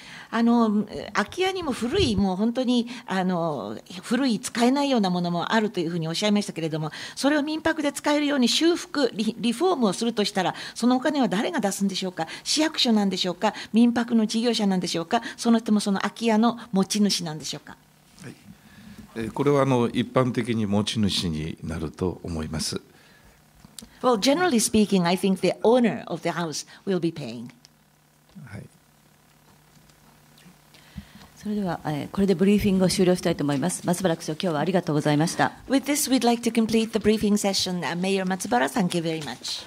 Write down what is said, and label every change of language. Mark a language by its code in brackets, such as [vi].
[ja] 空き家にも古いもう本当に古い使えないようなものもあるというふうにおっしゃいましたけれども、それを民泊で使えるように修復 リフォームをするとしたら、そのお金は誰が出すんでしょうか、市役所なんでしょうか、民泊の事業者なんでしょうか、その人もその空き家の持ち主なんでしょうか。はい、これは一般的に持ち主になると思います。 [en] Well, generally speaking, I think the owner of the house will be paying. [ja] はい、それではこれでブリーフィングを終了したいと思います。松原区長、今日はありがとうございました。 [en] With this, we'd like to complete the briefing session. Mayor Matsubara, thank you very much.